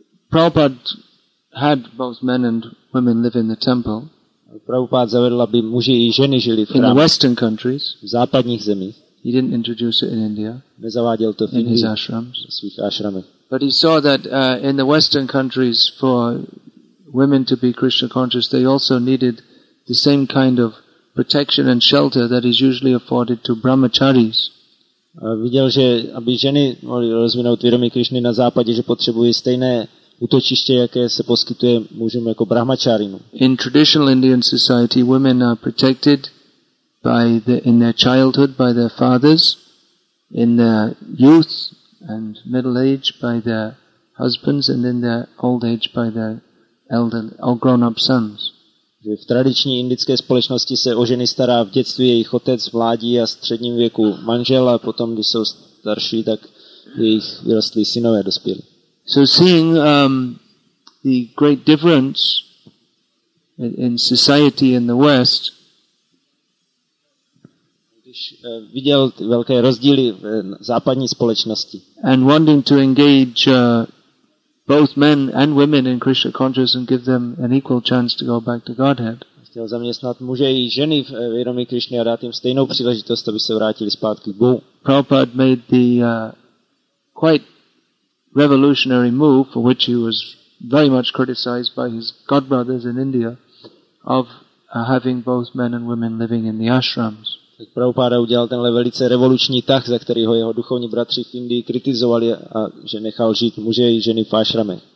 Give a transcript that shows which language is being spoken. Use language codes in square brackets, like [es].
[en] Prabhupada had both men and women live in the temple. [cs] Prabhupada zavedl, aby muži i ženy žili v chrámu. [en] In the Western countries, [cs] v západních zemích. [en] He didn't introduce it in India. [cs] Nezaváděl to v [en] Indii, in his ashrams. [cs] V svých ashramech. [en] But he saw that in the Western countries, for women to be Krishna conscious, they also needed the same kind of protection and shelter that is usually afforded to brahmacharis. [cs] Viděl, že aby ženy mohly rozvinout vědomí Krishny na západě, že potřebují stejné útočiště, jaké se poskytuje mužům jako brahmacharinu. [en] In traditional Indian society, women are protected by the, in their childhood by their fathers, in their youth and middle age by their husbands, and in their old age by their grown-up sons. [cs] V tradiční indické společnosti se o ženy stará v dětství jejich otec, mládí a středním věku manžel, a potom, když jsou starší, tak jejich vyrostlí synové dospělí. [en] So seeing the great difference in society in the West, [cs] viděl velké rozdíly v západní společnosti. [en] And wanting to engage both men and women in Krishna consciousness and give them an equal chance to go back to Godhead. [cs] Chtěl zaměstnat muže i ženy v vědomí Krishny a dát jim stejnou příležitost, aby se vrátili zpátky k Bohu. [en] Prabhupada made the quite revolutionary move, for which he was very much criticized by his godbrothers in India, of having both men and women living in the ashrams. [cs] Tak Prabhupada udělal tenhle velice revoluční tah, za který ho jeho duchovní bratři v Indii kritizovali, a že nechal žít muže i ženy v ashrame.